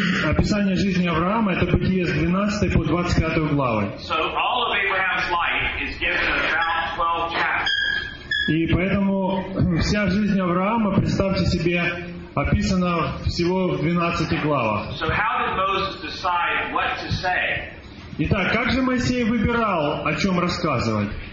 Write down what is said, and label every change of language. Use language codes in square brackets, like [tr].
[ru] Описание жизни Авраама — это Бытие с 12 по 25 главы. [en] So all of Abraham's life is given about 12 chapters. [ru] И поэтому вся жизнь Авраама, представьте себе, описана всего в 12 главах. [en] So how did Moses decide what to say? [ru] Итак, как же Моисей выбирал, о чем рассказывать?